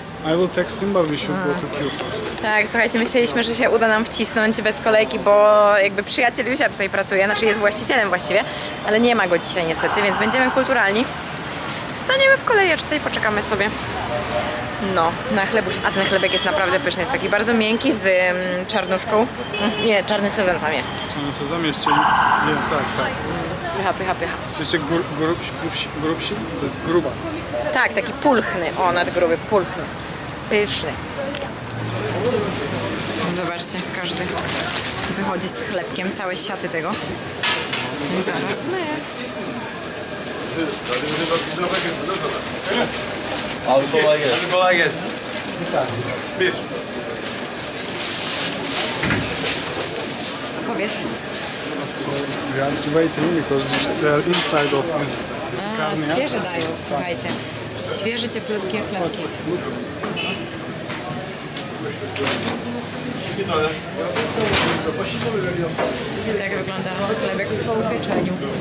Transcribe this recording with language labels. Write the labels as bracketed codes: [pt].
[en] I will text him, but we should go to queue first. [pl] Tak, słuchajcie, myśleliśmy, że się uda nam wcisnąć bez kolejki, bo jakby przyjaciel Józia tutaj pracuje, znaczy jest właścicielem właściwie, ale nie ma go dzisiaj niestety, więc będziemy kulturalni. Staniemy w kolejeczce i poczekamy sobie. No, na chlebuś. A ten chlebek jest naprawdę pyszny. Jest taki bardzo miękki, z czarnuszką. Nie, czarny sezam tam jest. Czarny sezam jeszcze... Nie, tak, tak. Pycha, pycha, pycha. Jeszcze grubsi? To jest gruba. Tak, taki pulchny. O, nadgruby, pulchny. Pyszny. Zobaczcie, każdy wychodzi z chlebkiem. Całe siaty tego. I zaraz my. Albo lages. Pisz. Powiedz. [en] So we are waiting because they are inside of this. [pl] Świeże dają, słuchajcie. Świeże cieplutkie chlebki. Tak wygląda chlebek po upieczeniu.